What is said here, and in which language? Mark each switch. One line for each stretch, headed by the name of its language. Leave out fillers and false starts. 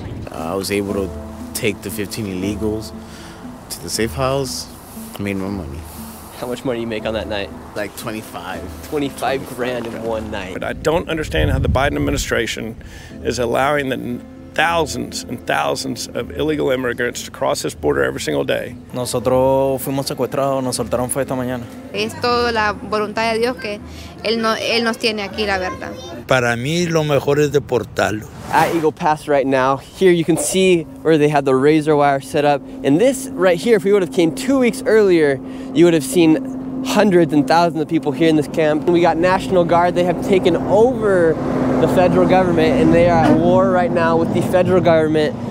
English: I was able to take the 15 illegals to the safe house. I made more money. How much money do you make on that night? Like 25. 25 grand in one night. But I don't understand how the Biden administration is allowing the thousands and thousands of illegal immigrants to cross this border every single day.
Spanish: Nosotros fuimos secuestrados, nos soltaron fue esta mañana. Es toda la voluntad de Dios que él nos tiene aquí, la verdad. Para mí lo mejor es deportarlo.
English: At Eagle Pass right now, here you can see where they have the razor wire set up. And this right here, if we would have came 2 weeks earlier, you would have seen hundreds and thousands of people here in this camp. We got National Guard. They have taken over the federal government and they are at war right now with the federal government.